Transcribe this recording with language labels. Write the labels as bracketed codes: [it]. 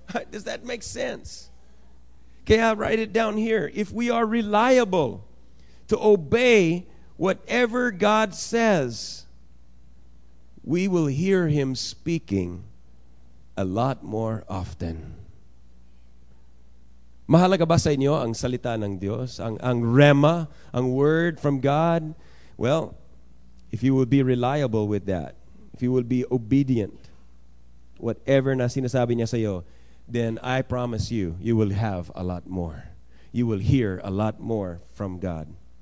[en] Does that make sense? Okay, I'll write it down here. If we are reliable to obey whatever God says, we will hear Him speaking a lot more often. [tl] Mahalaga ba sa inyo ang salita ng Diyos? Ang rema, ang word from God? [en] Well, if you will be reliable with that, if you will be obedient, whatever [tl] na sinasabi niya sa iyo, [en] then I promise you, you will have a lot more. You will hear a lot more from God.